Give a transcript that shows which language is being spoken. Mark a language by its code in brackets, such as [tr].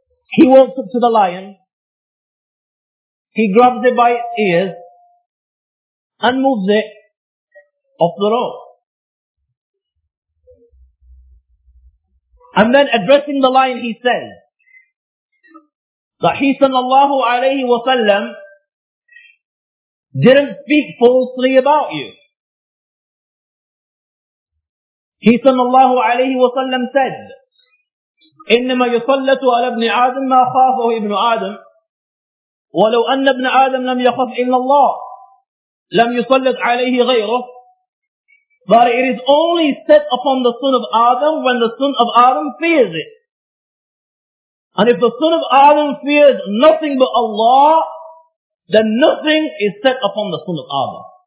[en] He walks up to the lion. He grabs it by its ears and moves it off the road. And then addressing the lion, he says that he sallallahu alayhi wa sallam didn't speak falsely about you. He sallallahu alayhi wa sallam said, [ar] إِنَّمَا يُصَلَّتُ عَلَى ابْنِ آدَمَ مَا خَافَهُ ابْنُ آدَمَ وَلَوْ أَنَّ ابْنَ آدَمَ لَمْ يَخَفْ إِلَّا اللَّهِ لَمْ يُصَلَّتْ عَلَيْهِ غَيْرُهُ [en] But it is only set upon the son of Adam when the son of Adam fears it. And if the son of Adam fears nothing but Allah, then nothing is set upon the son of Adam.